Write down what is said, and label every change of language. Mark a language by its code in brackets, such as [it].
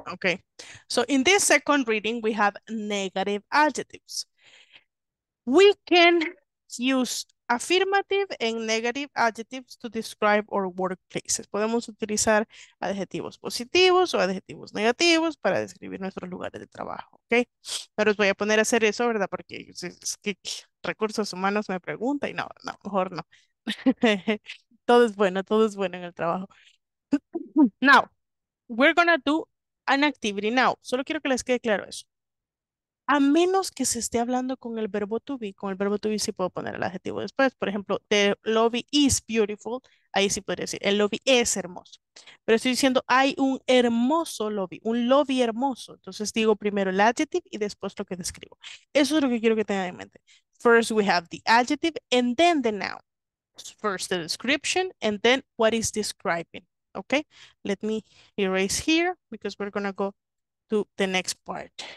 [en] Okay, so in this second reading we have negative adjectives. We can use affirmative and negative adjectives to describe our workplaces. [es] Podemos utilizar adjetivos positivos o adjetivos negativos para describir nuestros lugares de trabajo, okay? Pero os voy a poner a hacer eso, ¿verdad? Porque es que recursos humanos me pregunta y no, no, mejor no. todo es bueno en el trabajo. [en] Now, we're gonna do an activity now. [es] Solo quiero que les quede claro eso. A menos que se esté hablando con el verbo to be sí puedo poner el adjetivo después. Por ejemplo, [en] the lobby is beautiful. [es] Ahí sí podría decir, el lobby es hermoso. Pero estoy diciendo, hay un hermoso lobby, un lobby hermoso. Entonces digo primero el adjective y después lo que describo. Eso es lo que quiero que tengan en mente. [en] First we have the adjective and then the noun. First the description and then what is describing. Okay, let me erase here because we're gonna go to the next part.